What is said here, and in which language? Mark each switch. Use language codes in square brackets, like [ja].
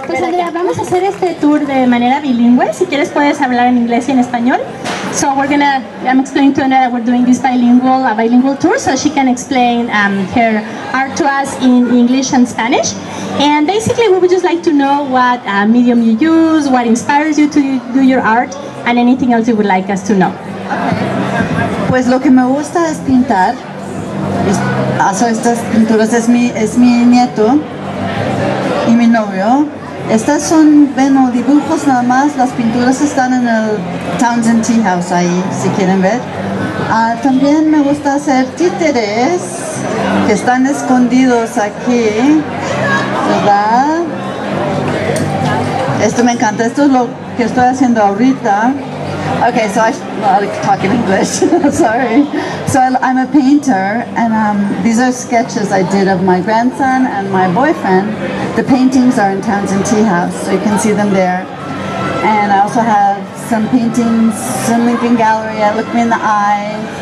[es] Pues Andrea, vamos a hacer este tour de manera bilingüe. Si quieres puedes hablar en inglés y en español. [en] So we're gonna, I'm explaining to Andrea that we're doing this bilingual, a bilingual tour, so she can explain her art to us in English and Spanish. And basically we would just like to know what medium you use, what inspires you to do your art, and anything else you would like us to know. [es] Okay. Pues lo que me gusta es pintar. Hago estas pinturas, es mi nieto y mi novio. Estas son, bueno, dibujos nada más. Las pinturas están en el Townsend Tea House ahí, si quieren ver. También me gusta hacer títeres que están escondidos aquí, ¿verdad? Esto me encanta, esto es lo que estoy haciendo ahorita. [en] Okay, so I talk in English, sorry. So I'm a painter, and these are sketches I did of my grandson and my boyfriend. The paintings are in Townsend Tea House, so you can see them there. And I also have some paintings in Lincoln Gallery, I Look Me in the Eye.